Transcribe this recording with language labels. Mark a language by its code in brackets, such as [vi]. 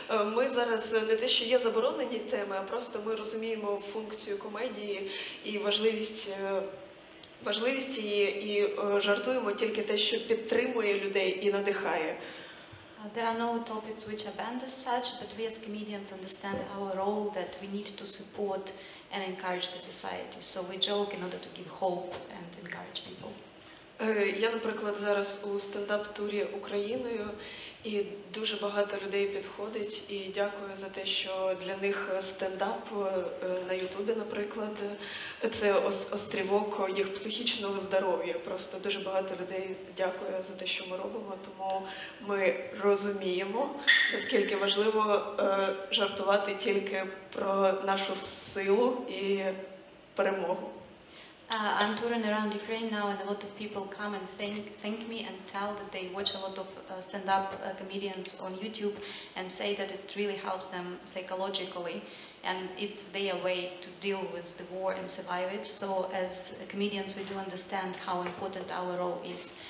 [uk] Ми зараз не те, що є заборонені теми, а просто ми розуміємо функцію комедії і важливість її, і жартуємо тільки те, що підтримує людей і надихає. [en] There are no topics which are banned as such, but we as comedians understand our role that we need to support and encourage the society. So we joke in order to give hope and encourage people. [uk] Я, наприклад, зараз у стендап-турі Україною, і дуже багато людей підходить, і дякую за те, що для них стендап на Ютубі, наприклад, це острівок їх психічного здоров'я. Просто дуже багато людей дякує за те, що ми робимо, тому ми розуміємо, наскільки важливо жартувати тільки про нашу силу і перемогу. [en] I'm touring around Ukraine now, and a lot of people come and thank me and tell that they watch a lot of stand-up comedians on YouTube and say that it really helps them psychologically, and it's their way to deal with the war and survive it. So as comedians, we do understand how important our role is.